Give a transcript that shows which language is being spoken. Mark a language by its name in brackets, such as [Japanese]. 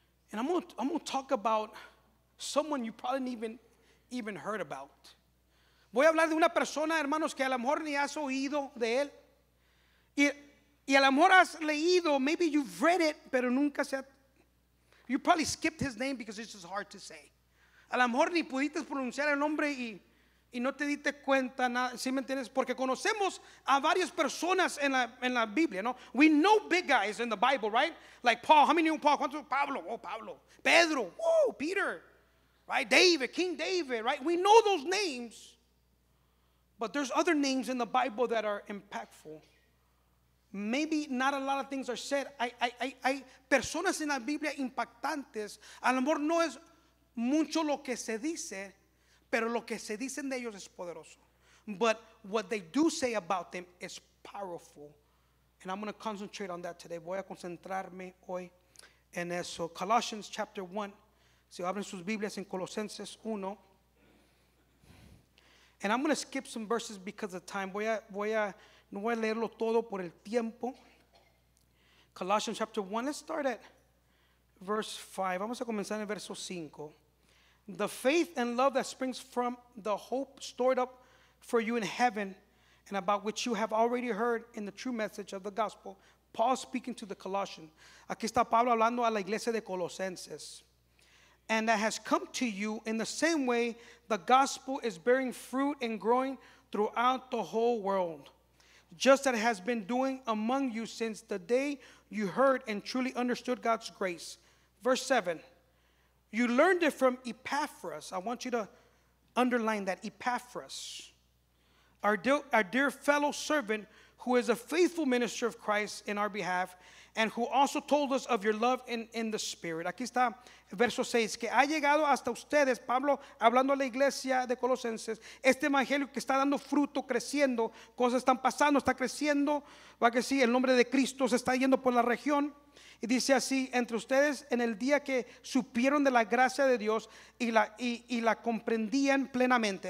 [English] And I'm gonna talk about someone you probably didn't even heard about. [Spanish] Voy a hablar de una persona, hermanos, que a lo mejor ni has oído de él. Y a lo mejor has leído, [English] maybe you've read it, [Spanish] pero nunca se ha... [English] You probably skipped his name because it's just hard to say. [Spanish] A lo mejor ni pudiste pronunciar el nombre y no te diste cuenta nada, ¿sí me entiendes? Porque conocemos a varias personas en la Biblia, ¿no? [English] We know big guys in the Bible, right? Like Paul, how many knew Paul? [Spanish] ¿Cuántos? [English] Pablo, oh, Pablo. Pedro, oh, Peter, right? David, King David, right? We know those names. But there's other names in the Bible that are impactful. Maybe not a lot of things are said. [Spanish] Hay personas en la Biblia impactantes. A lo mejor no es mucho lo que se dice, pero lo que se dicen de ellos es poderoso. [English] But what they do say about them is powerful. And I'm going to concentrate on that today. [Spanish] Voy a concentrarme hoy en eso. [English] Colossians chapter 1. [Spanish] Si abren sus Biblias en Colosenses 1. [English] And I'm going to skip some verses because of time. [Spanish] No voy a leerlo todo por el tiempo. [English] Colossians chapter 1. Let's start at verse 5. [Spanish] Vamos a comenzar en el verso 5. [English] The faith and love that springs from the hope stored up for you in heaven and about which you have already heard in the true message of the gospel. Paul speaking to the Colossians. [Spanish] Aquí está Pablo hablando a la iglesia de Colosenses. [English] And that has come to you in the same way the gospel is bearing fruit and growing throughout the whole world. Just as it has been doing among you since the day you heard and truly understood God's grace. Verse 7. You learned it from Epaphras. I want you to underline that. Epaphras. Our dear fellow servant who is a faithful minister of Christ in our behalf. And who also told us of your love in the spirit. [Spanish] Aquí está. Verso 6, que ha llegado hasta ustedes, Pablo, hablando a la iglesia de Colosenses, este evangelio que está dando fruto, creciendo, cosas están pasando, está creciendo, va que sí, el nombre de Cristo se está yendo por la región, y dice así, entre ustedes, en el día que supieron de la gracia de Dios y la comprendían plenamente.